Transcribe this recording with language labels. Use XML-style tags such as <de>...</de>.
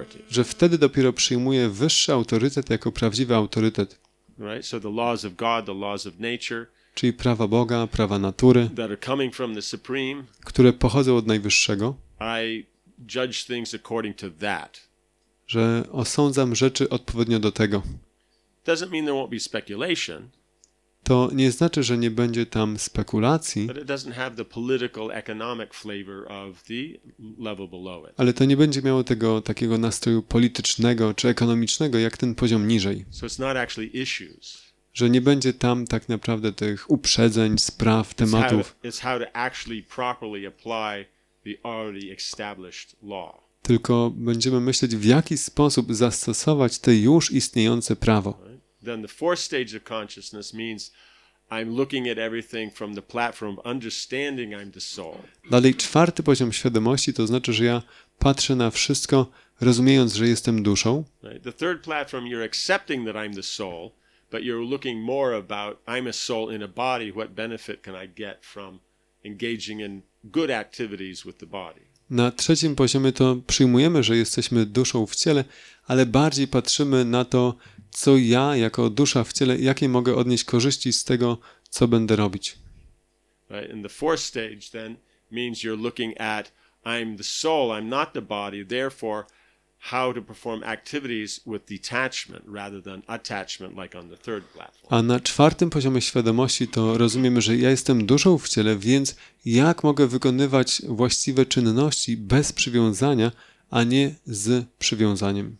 <pl>Że wtedy dopiero przyjmuje wyższy autorytet jako prawdziwy autorytet.</pl> <en>Right? So the laws of God, the laws of nature,</en> <pl>czyli prawa Boga, prawa natury,</pl> <en>that are coming from the supreme,</en> <pl>które pochodzą od Najwyższego.</pl> <en>I judge things according to that.</en> <pl>Że osądzam rzeczy odpowiednio do tego.</pl> <en>Doesn't mean there won't be speculation.</en> <pl>To nie znaczy, że nie będzie tam spekulacji.</pl> <en>But it doesn't have the political economic flavor of the level below it.</en> <pl>Ale to nie będzie miało tego takiego nastroju politycznego czy ekonomicznego jak ten poziom niżej.</pl> <en>So it's not actually issues.</en> <pl>Że nie będzie tam tak naprawdę tych uprzedzeń, spraw, tematów.</pl> <en>It's how to actually properly apply the already established law.</en> <pl>Tylko będziemy myśleć, w jaki sposób zastosować te już istniejące prawo.</pl> <en>Then the fourth stage of consciousness means I'm looking at everything from the platform of understanding I'm the soul.</en> <pl>Dalej czwarty poziom świadomości to znaczy, że ja patrzę na wszystko rozumiejąc, że jestem duszą.</pl> <en>Right? The third platform you're accepting that I'm the soul, but you're looking more about I'm a soul in a body, what benefit can I get from engaging in good activities with the body.</en> <pl>Na trzecim poziomie to przyjmujemy, że jesteśmy duszą w ciele, ale bardziej patrzymy na to, co ja jako dusza w ciele, jakie mogę odnieść korzyści z tego, co będę robić.</pl> <en>Right? And the fourth stage then means you're looking at I'm the soul, I'm not the body, therefore how to perform activities with detachment rather than attachment like on the third platform.</en> <pl>A na czwartym poziomie świadomości to rozumiemy, że ja jestem duszą w ciele, więc jak mogę wykonywać właściwe czynności bez przywiązania, a nie z przywiązaniem.</pl>